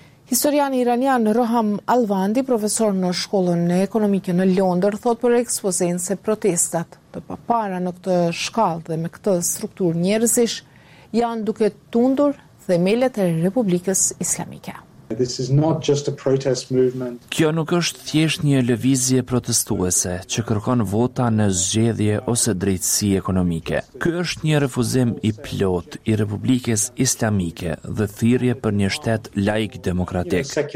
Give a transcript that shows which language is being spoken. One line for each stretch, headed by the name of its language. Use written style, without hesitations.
Albanian: Historiani iranian Roham Alvandi, profesor në shkollën ekonomike në Londër, thot për ekspozen se protestat të papara në këtë shkallë dhe me këtë strukturë njerëzish janë duke tundur themelet e Republikës Islamike.
English: This is not just a protest movement.
Albanian: Kjo nuk është thjesht një lëvizje protestuese që kërkon vota në zgjedhje ose drejtësi ekonomike. Ky është një refuzim i plot i Republikës Islamike dhe thirrje për një shtet laik demokratik.